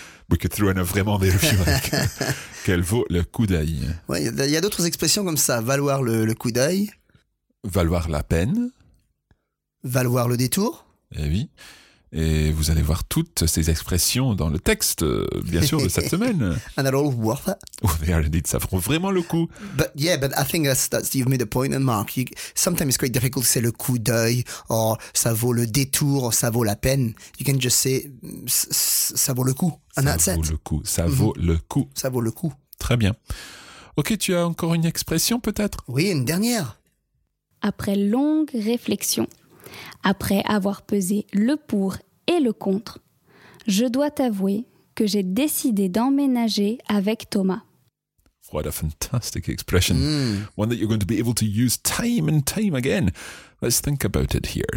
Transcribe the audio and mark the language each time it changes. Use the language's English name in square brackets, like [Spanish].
[English] We could throw in a vraiment there if you like. [French] Qu'elle vaut le coup d'œil. Ouais, il y a d'autres expressions comme ça. Valoir le coup d'œil. Valoir la peine. Valoir le détour. Eh oui. Et vous allez voir toutes ces expressions dans le texte, bien sûr, de cette semaine. [English] And they're all worth it. Oh, they are indeed. [French] Ça vaut vraiment le coup. [English] But yeah, but I think that's you've made a point, and Mark, sometimes it's quite difficult to say [French] le coup d'œil, [English] or [French] ça vaut le détour, [English] or [French] ça vaut la peine. [English] You can just say [French] ça vaut le coup, [English] and [French] ça [English] that's [French] vaut [English] it. [French] Le coup. Ça mm-hmm. vaut le coup. Ça vaut le coup. Très bien. Ok, tu as encore une expression peut-être? Oui, une dernière. Après longue réflexion. Après avoir pesé le pour et le contre, je dois t'avouer que j'ai décidé d'emménager avec Thomas. [English] What a fantastic expression. Mm. One that you're going to be able to use time and time again. Let's think about it here.